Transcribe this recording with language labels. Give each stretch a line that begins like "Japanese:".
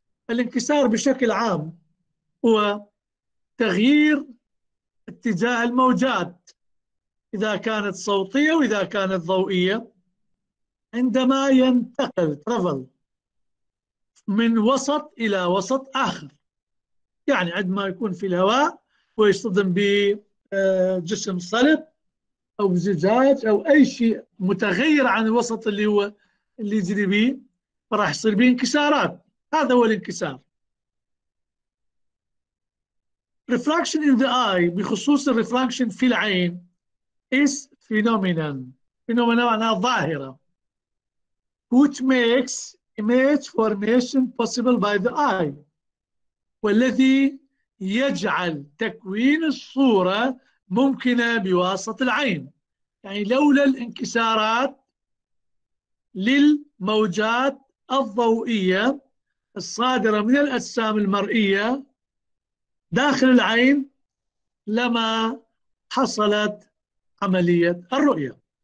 Arabic: الانكسار بشكل عام هو تغيير اتجاه الموجات إذا كانت صوتية وإذا كانت ضوئية عندما ينتقل travel من وسط إلى وسط آخر، يعني عندما يكون في الهواء ويصطدم بجسم صلب أو زجاج أو أي شيء متغير عن الوسط اللي يجري به، فراح يصير به انكسارات. هذا هو الانكسار.
English: Refraction in the eye،
Arabic: بخصوص الريفراكشن في العين،
English: is phenomenon.
Arabic: phenomenon معناها ظاهرة.
English: which makes image formation possible by the eye.
Arabic: والذي يجعل تكوين الصورة ممكنة بواسطة العين، يعني لولا الانكسارات للموجات الضوئية الصادرة من الأجسام المرئية داخل العين لما حصلت عملية الرؤية.